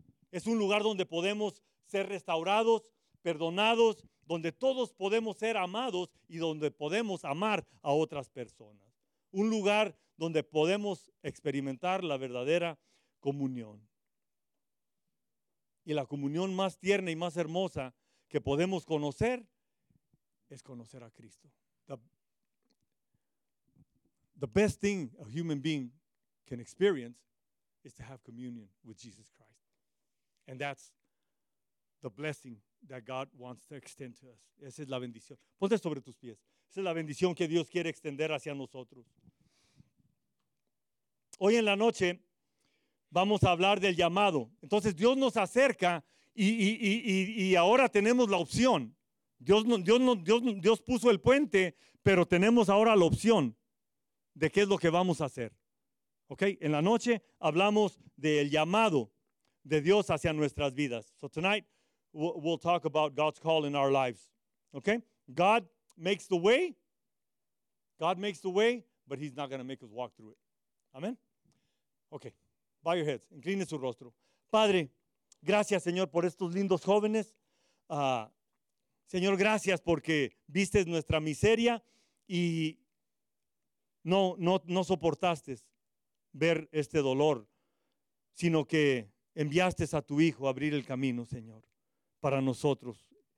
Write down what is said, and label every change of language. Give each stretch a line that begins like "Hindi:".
Spanish: Es un lugar donde podemos ser restaurados, perdonados, donde todos podemos ser amados y donde podemos amar a otras personas. Un lugar donde podemos experimentar la verdadera comunión. Y la comunión más tierna y más hermosa que podemos conocer es conocer a Cristo.
English: The best thing a human being can experience is to have communion with Jesus Christ. And that's the blessing that God wants to extend to us.
Spanish: Esa es la bendición. Ponte sobre tus pies. Esa es la bendición que Dios quiere extender hacia nosotros. Hoy en la noche vamos a hablar del llamado. Entonces Dios nos acerca y ahora tenemos la opción. Dios puso el puente, pero tenemos ahora la opción de qué es lo que vamos a hacer. Okay, en la noche hablamos del llamado de Dios hacia nuestras vidas.
English: So tonight we'll talk about God's call in our lives. Okay? God makes the way. God makes the way, but he's not going to make us walk through it. Amen. Okay. Bow your heads.
Spanish: Incline su rostro. Padre, gracias, Señor, por estos lindos jóvenes. Señor, gracias porque viste nuestra miseria y no soportaste ver este dolor, sino que enviaste a tu Hijo a abrir el camino, Señor, para nosotros.